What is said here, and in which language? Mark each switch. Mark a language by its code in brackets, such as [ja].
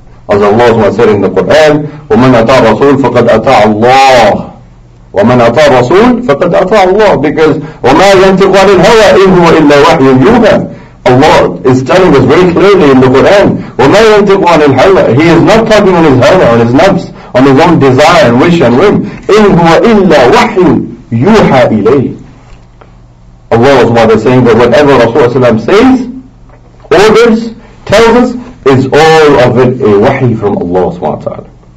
[en] As Allah said in the Quran, [ar] وَمَنْ أَطَعَ الرَّسُولَ فَقَدْ أَطَعَ اللَّهَ. وَمَنْ أَطَعَ الرَّسُولَ فَقَدْ أَطَعَ اللَّهَ. Because وَمَا يَنْتِقُ عَنِ الْهَوَى إِنْ هُوَ إِلَّا وَحْيٌ يُوحَى. [en] Allah is telling us very clearly in the Quran, [ar] وَمَا يَنْتِقُ عَنِ الْهَوَى. [en] He is not talking on his hawa, on his nafs, on his own desire and wish and whim. [ar] إِنْ هُوَ إِلَّا وَحْيٌ يُوحَى إِلَيْهِ. [en] Allah is saying that whatever Rasulullah says, orders, tells us, is all of it a wahi from Allah subhanahu wa ta'ala.